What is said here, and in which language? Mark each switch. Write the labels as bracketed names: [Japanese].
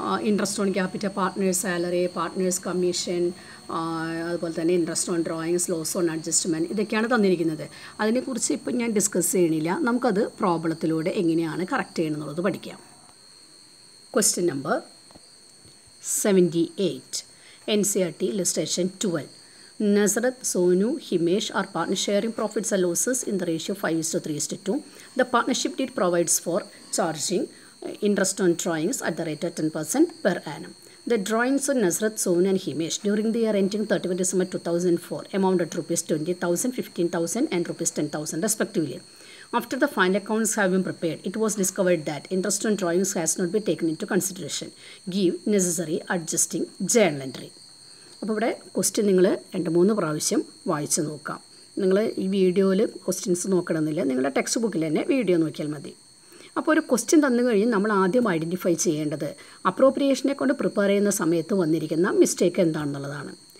[Malayalam] Interest on capital, partners salary, partners commission, അതുപോലെ തന്നെ interest on drawings, loss on adjustment, ഇതൊക്കെയാണ് തന്നിരിക്കുന്നത്. അതിനെക്കുറിച്ച് ഇപ്പം ഞാൻ ഡിസ്കസ് ചെയ്യണില്ല, നമുക്കത് പ്രോബ്ലത്തിലൂടെ എങ്ങനെയാണ് കറക്റ്റ് ചെയ്യണമെന്നുള്ളത് പഠിക്കാം. Question number 78, NCERT ലിസ്റ്റേഷൻ 12. [English] Nazareth, Sonu, Himesh are partners sharing profits or losses in the ratio 5:3:2. The partnership deed provides for charging interest on drawings at the rate of 10% per annum. The drawings of Nazareth, Sonu and Himesh during the year ending 31 December 2004 amounted rupees 20,000, 15,000 and rupees 10,000 respectively. After the final accounts have been prepared, it was discovered that interest on drawings has not been taken into consideration. Give necessary adjusting journal entry. [Malayalam] അപ്പോൾ ഇവിടെ question നിങ്ങൾ രണ്ട് മൂന്ന് പ്രാവശ്യം വായിച്ച് നോക്കാം. നിങ്ങൾ ഈ വീഡിയോയിൽ ക്വസ്റ്റ്യൻസ് നോക്കണമെന്നില്ല, നിങ്ങളുടെ ടെക്സ്റ്റ് ബുക്കിൽ തന്നെ വീഡിയോ നോക്കിയാൽ മതി. അപ്പോൾ ഒരു ക്വസ്റ്റ്യൻ തന്നു കഴിഞ്ഞ് നമ്മൾ ആദ്യം ഐഡൻറ്റിഫൈ ചെയ്യേണ്ടത് അപ്രോപ്രിയേഷനെ കൊണ്ട് പ്രിപ്പയർ ചെയ്യുന്ന സമയത്ത് വന്നിരിക്കുന്ന മിസ്റ്റേക്ക് എന്താണെന്നുള്ളതാണ്.